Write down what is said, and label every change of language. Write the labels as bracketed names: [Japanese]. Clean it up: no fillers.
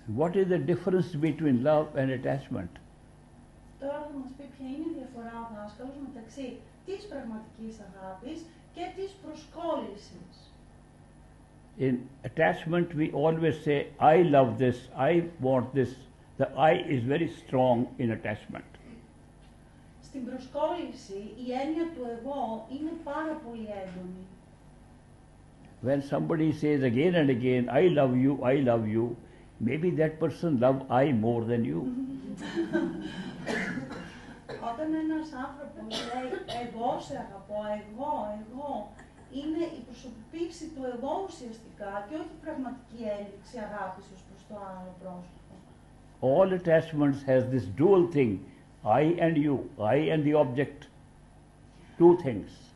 [English] What is the difference between love and attachment? [Greek] Τώρα θα μας πει ποια είναι η διαφορά ο δάσκαλος μεταξύ της πραγματικής αγάπης και της προσκόλλησης. [English] In attachment we always say, I love this, I want this. The I is very strong in attachment. [Greek] Στην προσκόλληση η έννοια του εγώ είναι πάρα πολύ έντονη. [English] When somebody says again and again, I love you, maybe that person love I more than you. [Greek] Όταν ένας άνθρωπος λέει εγώ σε αγαπώ, εγώ, εγώ, είναι η προσωπική του εγώ ουσιαστικά και όχι η πραγματική έλλειψη αγάπης ως προς το άλλο πρόσωπο. [English] All attachments has this dual thing, I and you, I and the object, two things.